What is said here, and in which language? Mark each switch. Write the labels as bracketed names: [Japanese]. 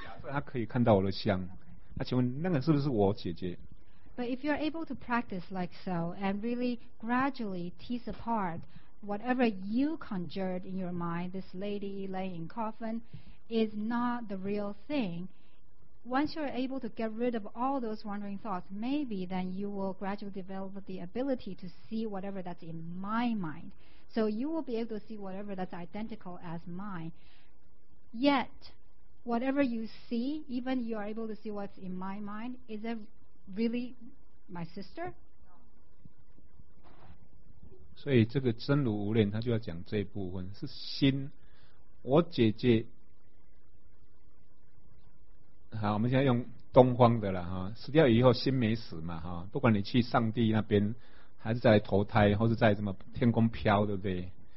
[Chinese] 他可以看到我的像，那请问那个是不是我姐姐？ [English] But if you're able to practice like so and really gradually tease apart whatever you conjured in your mind, this lady laying in coffin is not the real thing. Once you're able to get rid of all those wandering thoughts, maybe then you will gradually develop the ability to see whatever that's in my mind. So you will be able to see whatever that's identical as mine. Yet, whatever you see, even you are able to see what's in my mind, is it really my sister? [Chinese] 所以这个真如无恋，他就要讲这一部分是心。我姐姐，好，我们现在用东方的了哈。死掉以后，心没死嘛哈。不管你去上帝那边，还是再来投胎，或是在什么天空飘，对不对？